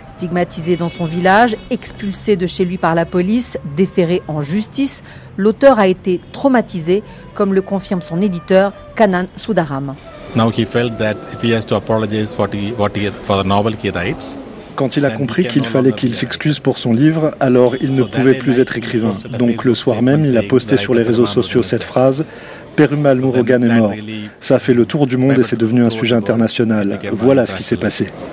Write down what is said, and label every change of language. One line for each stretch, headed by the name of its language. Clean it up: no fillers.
French: Stigmatisé dans son village, expulsé de chez lui par la police, déféré en justice, l'auteur a été traumatisé, comme le confirme son éditeur, Kanan Sudaram.
English: Now he felt that if he has to apologize for the novel he writes,
French: Quand il a compris qu'il fallait qu'il s'excuse pour son livre, alors il ne pouvait plus être écrivain. Donc le soir même, il a posté sur les réseaux sociaux cette phrase « Perumal Murugan est mort ». Ça a fait le tour du monde et c'est devenu un sujet international. Voilà ce qui s'est passé.